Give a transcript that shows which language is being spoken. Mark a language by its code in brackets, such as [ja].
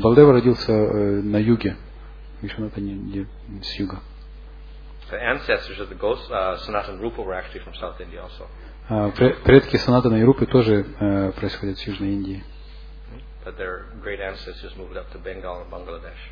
[ru] Баладева родился на юге. Вишваната не с юга. [en] The ancestors of the ghost, Sanatan Rupa, were actually from South India also. [ru] Предки Санатана и Рупы тоже происходят с Южной Индии. [en] But their great ancestors moved up to Bengal and Bangladesh.